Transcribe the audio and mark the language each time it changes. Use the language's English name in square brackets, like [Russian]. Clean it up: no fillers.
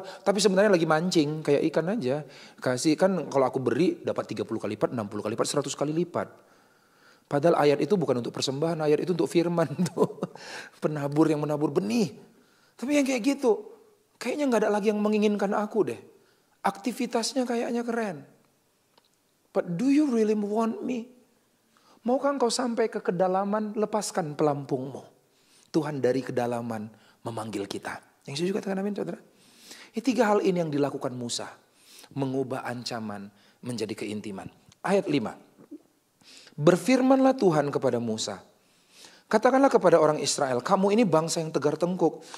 [Indonesian] Tapi sebenarnya lagi mancing, kayak ikan aja. Kasih, kan kalau aku beri dapat 30 kali lipat, 60 kali lipat, 100 kali lipat. Padahal ayat itu bukan untuk persembahan, ayat itu untuk firman tuh. Penabur yang menabur benih. Tapi yang kayak gitu, kayaknya gak ada lagi yang menginginkan aku deh. Aktivitasnya kayaknya keren. [English] But do you really want me? [Indonesian] Maukah engkau sampai ke kedalaman, lepaskan pelampungmu. Tuhan dari kedalaman memanggil kita. Yang saya juga katakan amin, saudara. Ini tiga hal ini yang dilakukan Musa. Mengubah ancaman menjadi keintiman. Ayat 5. Berfirmanlah Tuhan kepada Musa. Katakanlah kepada orang Israel, kamu ini bangsa yang tegar tengkuk.